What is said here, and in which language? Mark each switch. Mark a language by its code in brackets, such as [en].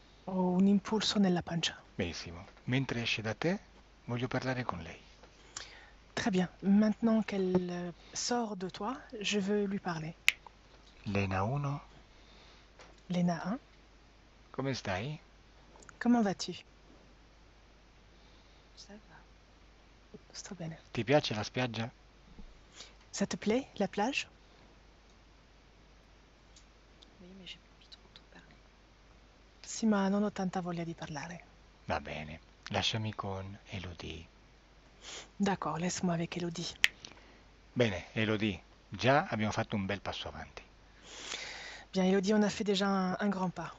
[it] Ho un impulso nella pancia. Benissimo. Mentre esce da te, voglio parlare con lei. [fr] Très bien. Maintenant qu'elle sort de toi, je veux lui parler. [it] Lena 1. Lena 1. Come stai? [fr] Comment vas-tu? Ça va. [it] Sto bene. Ti piace la spiaggia? [fr] Ça te plaît, la plage? Oui, mais j'ai pas envie trop trop parler. [it] Sì, ma non ho tanta voglia di parlare. Va bene, lasciami con Elodie. [fr] D'accord, laisse-moi avec Elodie. [it] Bene, Elodie, già abbiamo fatto un bel passo avanti. [fr] Bien, Elodie, on a fait déjà un grand pas.